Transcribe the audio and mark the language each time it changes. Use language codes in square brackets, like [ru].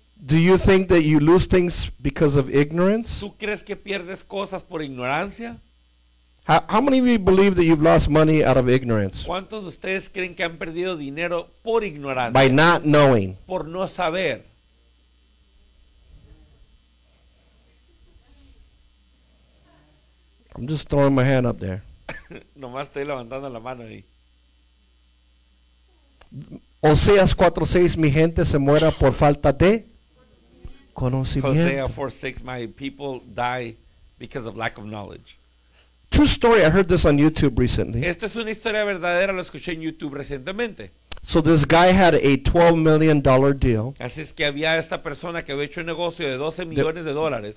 [en] Do you think that you lose things because of ignorance? [es] ¿Tú crees que pierdes cosas por ignorancia? [en] How many of you believe that you've lost money out of ignorance? [es] ¿Cuántos de ustedes creen que han perdido dinero por ignorancia? [en] By not knowing. [es] Por no saber. [en] I'm just throwing my hand up there. [es] Nomás estoy levantando la mano ahí. Oseas 4:6, mi gente se muera por falta de conocimiento. [en] Oseas 4:6, my people die because of lack of knowledge. True story, I heard this on YouTube recently. [es] Esta es una historia verdadera, lo escuché en YouTube recientemente. [en] So this guy had a $12 million deal. [es] Así es que había esta persona que había hecho un negocio de 12 millones de dólares.